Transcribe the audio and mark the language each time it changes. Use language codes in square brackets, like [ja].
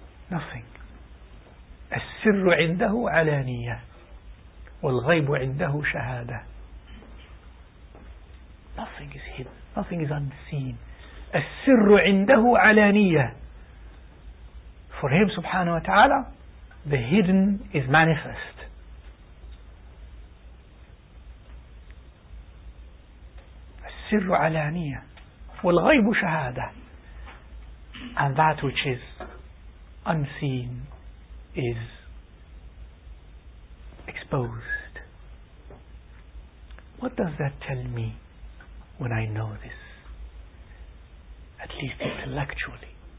[en] Nothing. [ar] السر عنده علانية والغيب عنده شهادة. [en] Nothing is hidden. Nothing is unseen. [ar] السر عنده علانية. [en] For him, subhanahu wa ta'ala, the hidden is manifest. [ar] السر علانية والغيب شهادة. [en] And that which is unseen is exposed. What does that tell me when I know this? At least intellectually.